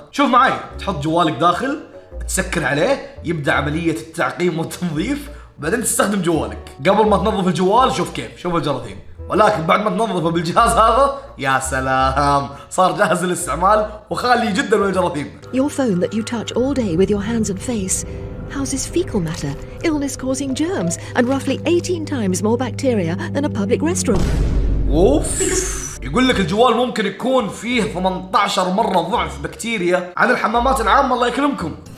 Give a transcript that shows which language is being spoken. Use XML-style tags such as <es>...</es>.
<ar>شوف معي، تحط جوالك داخل، تسكر عليه، يبدا عملية التعقيم والتنظيف، وبعدين تستخدم جوالك. قبل ما تنظف الجوال شوف كيف، شوف الجراثيم، ولكن بعد ما تنظفه بالجهاز هذا يا سلام، صار جاهز للاستعمال وخالي جدا من الجراثيم.</ar> <en>Your phone that you touch all day with your hands and face houses fecal matter, illness causing germs and roughly 18 times more bacteria than a public restroom.</en> <ar>اوف، يقول لك الجوال ممكن يكون فيه 18 مره ضعف بكتيريا عن الحمامات العامه. الله يكرمكم.</ar>